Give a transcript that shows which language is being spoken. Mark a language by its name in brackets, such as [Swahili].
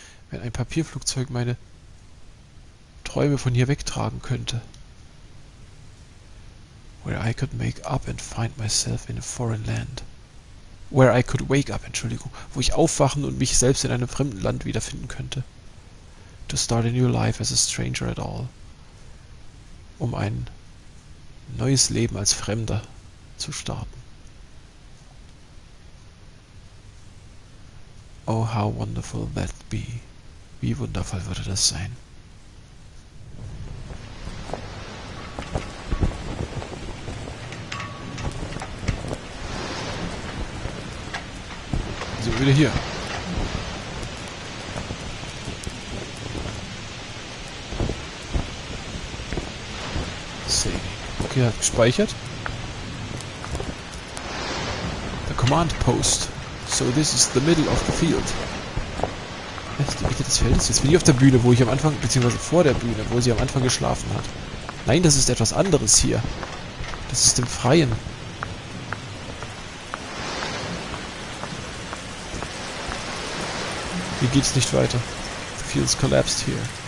[German] Wenn ein Papierflugzeug meine Träume von hier wegtragen könnte. [English] Where I could make up and find myself in a foreign land. Where I could wake up, [German] Entschuldigung. Wo ich aufwachen und mich selbst in einem fremden Land wiederfinden könnte. [English] To start a new life as a stranger at all. [German] Um ein neues Leben als Fremder zu starten. [English] Oh, how wonderful that be. [German] Wie wundervoll würde das sein? So, wieder hier. Saving. Okay, hat gespeichert. [English] The command post. So, this is the middle of the field. [German] Die Mitte des Feldes? Jetzt bin ich auf der Bühne, wo ich am Anfang, beziehungsweise vor der Bühne, wo sie am Anfang geschlafen hat. Nein, das ist etwas anderes hier. Das ist im Freien. Hier geht's nicht weiter. [English] The field's collapsed here.